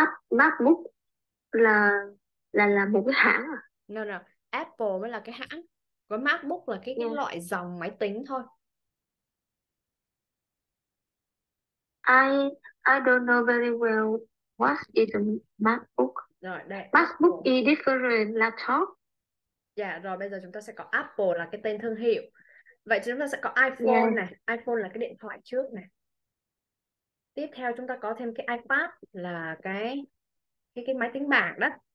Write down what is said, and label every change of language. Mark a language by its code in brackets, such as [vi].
[vi] MacBook là một cái hãng à? No, Apple mới là cái hãng. Còn MacBook là cái loại dòng máy tính thôi. [en] I don't know very well what is a MacBook. [vi] Rồi đây, [en] MacBook Apple. is different laptop. [vi] Rồi bây giờ chúng ta sẽ có Apple là cái tên thương hiệu. Vậy chúng ta sẽ có iPhone này, iPhone là cái điện thoại trước này. Tiếp theo chúng ta có thêm cái iPad là cái máy tính bảng đó.